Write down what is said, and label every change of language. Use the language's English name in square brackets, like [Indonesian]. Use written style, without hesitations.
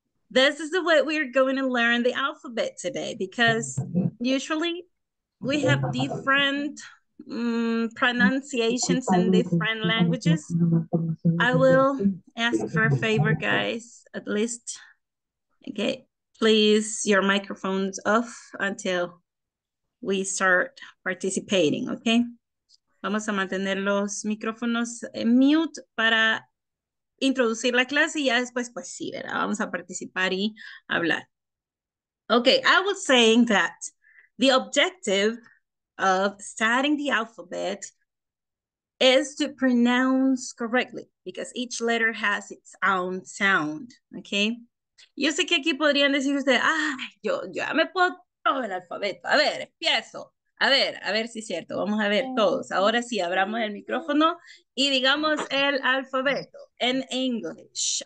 [English] This is the way we're going to learn the alphabet today, because usually we have different pronunciations in different languages. I will ask for a favor, guys, at least. Okay, please, your microphones off until we start participating, okay? [Spanish] Vamos a mantener los micrófonos en mute para introducir la clase y ya después, pues sí, ¿verdad? Vamos a participar y hablar. [English] Okay, I was saying that the objective of studying the alphabet is to pronounce correctly because each letter has its own sound, okay? [Spanish] Yo sé que aquí podrían decir ustedes, ah, yo ya me puedo todo el alfabeto. A ver, empiezo. A ver si es cierto. Vamos a ver todos. Ahora sí, abramos el micrófono y digamos el alfabeto en English.